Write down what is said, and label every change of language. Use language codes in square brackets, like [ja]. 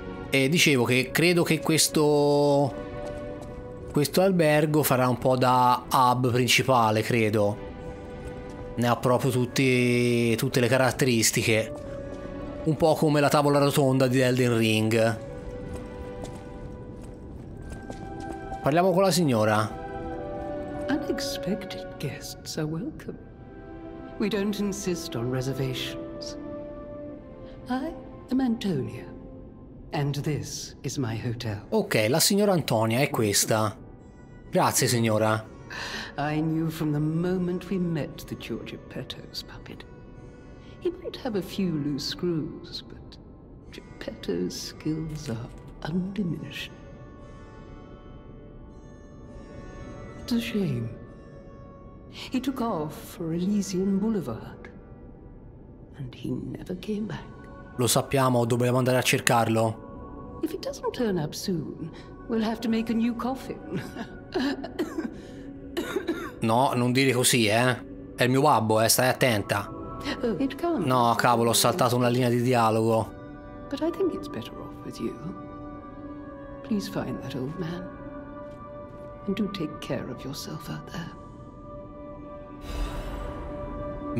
[it] E dicevo che credo che questo albergo farà un po' da hub principale, credo. Ne ha proprio tutte le caratteristiche. Un po' come la tavola rotonda di Elden Ring. Parliamo con la signora. [en] Unexpected guests are welcome. We don't insist on reservations. I am Antonia, and this is my hotel. [it] Ok, la signora Antonia è questa. Grazie, signora. [en] I knew from the moment we met the Giorgio Petto's puppet. He might have a few loose screws, but Geppetto's skills are undiminished. It's a shame. He took off for Elysian Boulevard and he never came back. [it] Lo sappiamo, dobbiamo andare a cercarlo. [en] If he doesn't turn up soon, We'll have to make a new coffin. [it] No, non dire così, eh. È il mio babbo, stai attenta. [en] Oh, it comes. [it] No, cavolo, ho saltato una linea di dialogo. [en] But I think it's better off with you. Please find that old man. And do take care of yourself out there.